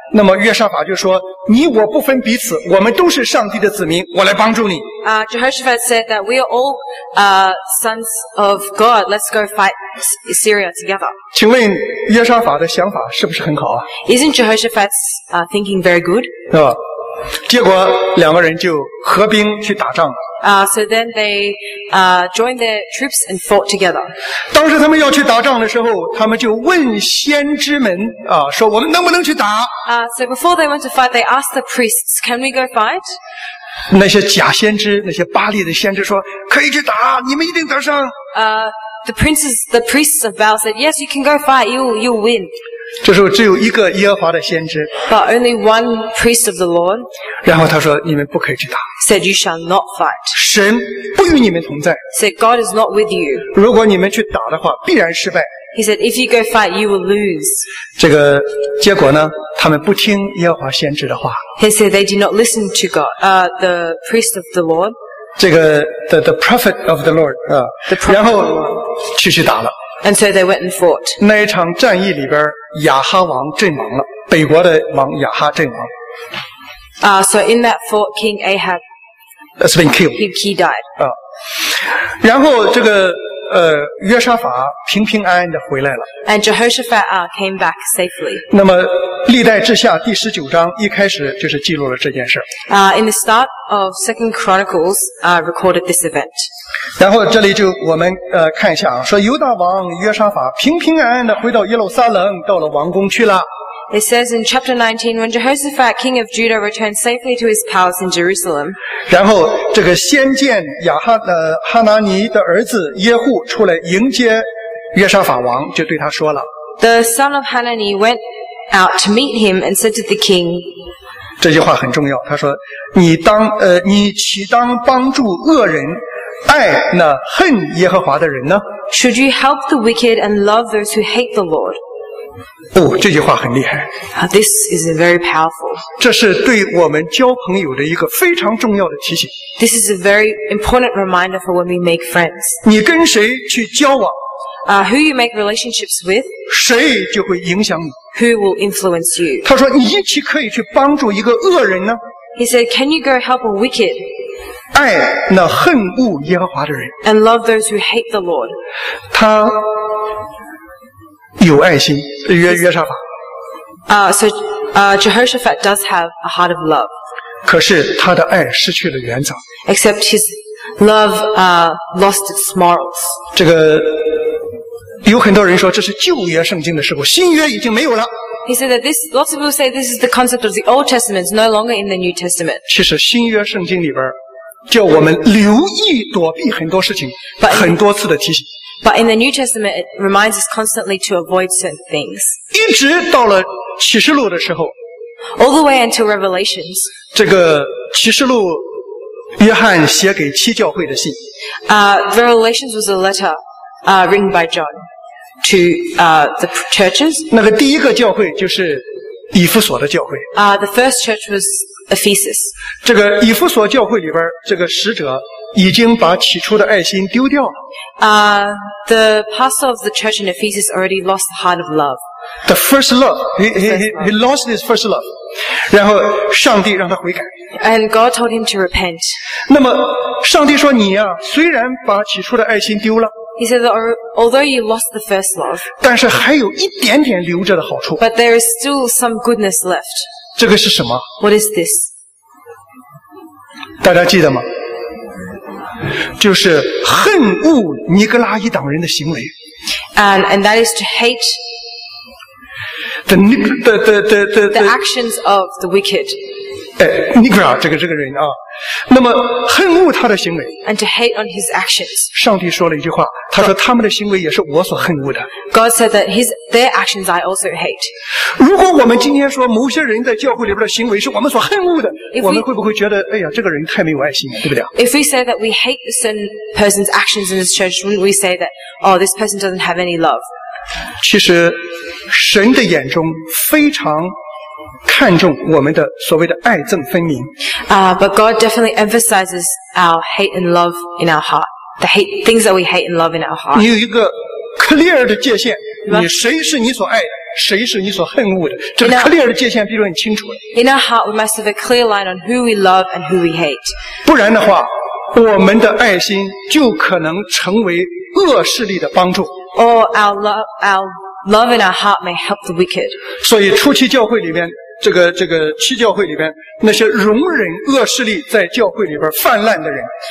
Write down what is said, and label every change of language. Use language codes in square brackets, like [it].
[zh] 那么约沙法就说：“你我不分彼此，我们都是上帝的子民，我来帮助你。” [en] Jehoshaphat said that we are all sons of God. Let's go fight Syria together. [zh] 请问约沙法的想法是不是很好啊？ [en] Isn't Jehoshaphat's thinking very good? [zh] 是吧？结果两个人就合兵去打仗了。 [en] So then they joined their troops and fought together. [zh] 当时他们要去打仗的时候，他们就问先知们啊，说我们能不能去打？ [en] So before they went to fight, they asked the priests, "Can we go fight?" [zh] 那些假先知，那些巴利的先知说，可以去打，你们一定得胜。 [en] The priests of Baal said, "Yes, you can go fight. You'll win." [zh] 这时候只有一个耶和华的先知。 [en] But only one priest of the Lord. [zh] 然后他说，你们不可以去打。 [en] Said you shall not fight. [zh] 神不与你们同在。 [en] Said God is not with you. [zh] 如果你们去打的话，必然失败。 [en] He said if you go fight, you will lose. [zh] 这个结果呢？他们不听耶和华先知的话。 [en] He said they did not listen to God, the priest of the Lord. [zh] 这个 [en] the prophet of the Lord [zh] 啊、然后去打了。 [en] And so they went and fought. [zh] 那一场战役里边，亚哈王阵亡了，北国的王亚哈阵亡。 [en] So in that fort, King Ahab has been killed. He died. [zh] 然后这个约沙法平平安安的回来了。 [en] And Jehoshaphat came back safely. [zh] 那么历代志下第十九章一开始就是记录了这件事。 [en] In the start of Second Chronicles, recorded this event. [zh] 然后这里就我们看一下啊，说犹大王约沙法平平安安的回到耶路撒冷，到了王宫去了。 [en] It says in chapter 19, when Jehoshaphat, king of Judah, returned safely to his palace in Jerusalem. [zh] 然后这个先见亚哈的哈拿尼的儿子耶户出来迎接约沙法王，就对他说了。 [en] The son of Hanani went out to meet him and said to the king. [zh] 这句话很重要。他说，你岂当帮助恶人，爱那恨耶和华的人呢 [en] ？Should you help the wicked and love those who hate the Lord? [zh] 哦，这句话很厉害。 [en] This is very powerful. [zh] 这是对我们交朋友的一个非常重要的提醒。 [en] This is a very important reminder for when we make friends. [zh] 你跟谁去交往？ [en] Who you make relationships with? [zh] 谁就会影响你。 [en] Who will influence you? [zh] 他说，你一起可以去帮助一个恶人呢。 [en] He said, Can you go help a wicked? [zh] 爱那恨恶耶和华的人。 [en] And love those who hate the Lord. [zh] 他。有爱心，约沙法。 [en] Jehoshaphat does have a heart of love. [zh] 可是他的爱失去了原则。 [en] Except his love lost its morals. [zh] 这个有很多人说这是旧约圣经的时候，新约已经没有了。 [en] He said that this. Lots of people say this is the concept of the Old Testament. It's no longer in the New Testament. [zh] 其实新约圣经里边叫我们留意躲避很多事情，很多次的提醒。 [en] But in the New Testament, it reminds us constantly to avoid certain things. [zh] 一直到了启示录的时候。 [en] All the way until Revelations. [zh] 这个启示录，约翰写给七教会的信。 [en] Revelations was a letter, written by John to the churches. [zh] 那个第一个教会就是以弗所的教会。 [en] The first church was Ephesus. [zh] 这个以弗所教会里边，这个使者。已经把起初的爱心丢掉了。 [en] The pastor of the church in Ephesus already lost the heart of love. The first love. He lost his first love. [zh] 然后上帝让他悔改。 [en] And God told him to repent. [zh] 那么上帝说你啊，虽然把起初的爱心丢了。 [en] He said that although you lost the first love. [zh] 但是还有一点点留着的好处。 [en] But there is still some goodness left. [zh] 这个是什么？ [en] What is this? [zh] 大家记得吗？就是恨恶尼格拉伊党人的行为。 [en] And that is to hate the actions of the wicked. [zh] 哎，尼格拉这个人啊，那么恨恶他的行为。 [en] And to hate on his actions. [zh] 上帝说了一句话，他说他们的行为也是我所恨恶的。 [en] God said that their actions I also hate. [zh] 如果我们今天说某些人在教会里边的行为是我们所恨恶的， we, 我们会不会觉得，哎呀，这个人太没有爱心了，对不对 [en] ？If we say that we hate a certain person's actions in this church, wouldn't we say that, oh, this person doesn't have any love? [zh] 其实，神的眼中非常看重我们的所谓的爱憎分明。 [en] But God definitely emphasizes our hate and love in our heart. The hate things that we hate and love in our heart. [zh] 你有一个 clear 的界限。你谁是你所爱的，谁是你所恨恶的，这个 clear 的界限必须很清楚。 [en] In our heart, we must have a clear line on who we love and who we hate. [zh] 不然的话，我们的爱心就可能成为恶势力的帮助。 [en] Or our love in our heart may help the wicked. [zh] 所以初期教会里边，这个七教会里边那些容忍恶势力在教会里边泛滥的人。